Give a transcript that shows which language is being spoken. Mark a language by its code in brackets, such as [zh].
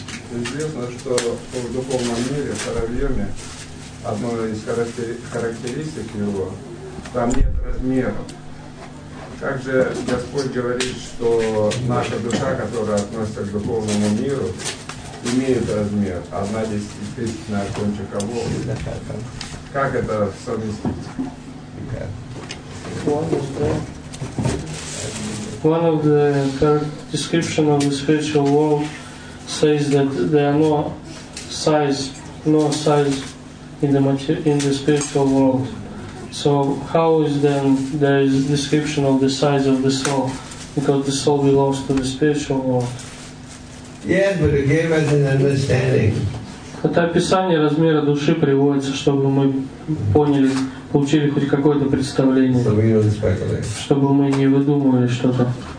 [ru] Известно, что в духовном мире, в Харавьоме, одной из характеристик его, там нет размеров. Как же Господь говорит, что наша душа, которая относится к духовному миру, имеет размер, одна десятитысячная от кончика волны. Как это совместить? [en] One of the description of the spiritual world says that there are no size in the spiritual world. So how is then there is a description of the size of the soul? Because the soul belongs to the spiritual world. Yeah, but it gave us an understanding. [ru] Это описание размера души приводится, чтобы мы поняли, получили хоть какое-то представление. [en] So we don't speculate. [ru] Чтобы мы не выдумывали что-то.